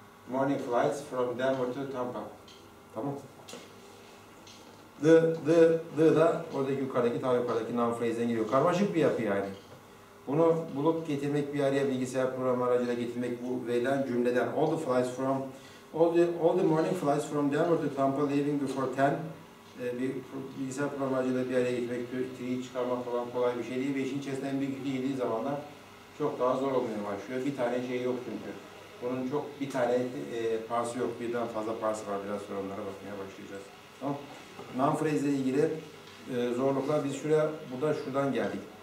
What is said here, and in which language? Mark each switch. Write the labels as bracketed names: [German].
[English] Morning flights from Denver to Tampa. [Turkish] Tamam. The da oradaki yukarıdaki tabi yukarıdaki noun phrase'den geliyor. Karmaşık bir yapı yani. Bunu bulup getirmek bir araya bilgisayar programı aracıyla getirmek bu verilen cümleden. [English] All the morning flights from Denver to Tampa leaving before 10. [Turkish] Bilgisayar programı aracıyla bir araya getirmek, tree'yi çıkarmak falan kolay bir şey değil. Ve işin içerisinde en büyük değildiği zamanlar çok daha zor olmaya başlıyor. Bir tane şey yok çünkü. Bunun çok bir tane parsi yok, birden fazla parsi var. Biraz sonra onlara bakmaya başlayacağız. Tamam. Noun phrase ile ilgili zorluklar, biz şuraya, burada şuradan geldik.